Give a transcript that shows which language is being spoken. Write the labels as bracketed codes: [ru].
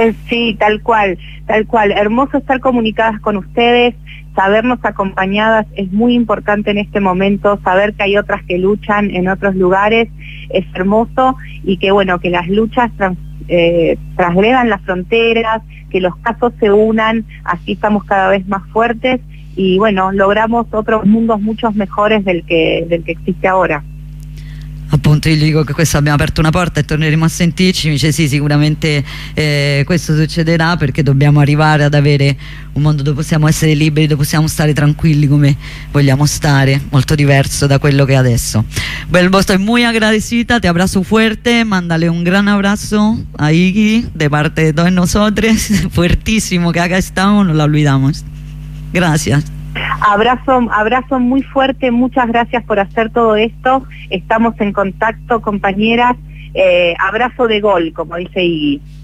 [es] Sí, tal cual, hermoso estar comunicadas con ustedes, sabernos acompañadas es muy importante en este momento, saber que hay otras que luchan en otros lugares es hermoso, y que bueno, que las luchas transgredan las fronteras, que los casos se unan, así estamos cada vez más fuertes, y bueno, logramos otros mundos mucho mejores del que existe ahora. [it] Appunto, io dico che questo, abbiamo aperto una porta e torneremo a sentirci. Mi dice sì, sicuramente questo succederà, perché dobbiamo arrivare ad avere un mondo dove possiamo essere liberi, dove possiamo stare tranquilli come vogliamo stare, molto diverso da quello che è adesso. [es] Bueno, estoy muy agradecida, te abrazo fuerte, mandale un gran abrazo a Ichi de parte de todos nosotros, fuertísimo, que acá estamos, no lo olvidamos. Gracias. Abrazo muy fuerte, muchas gracias por hacer todo esto, estamos en contacto, compañeras, abrazo de gol, como dice Ichi.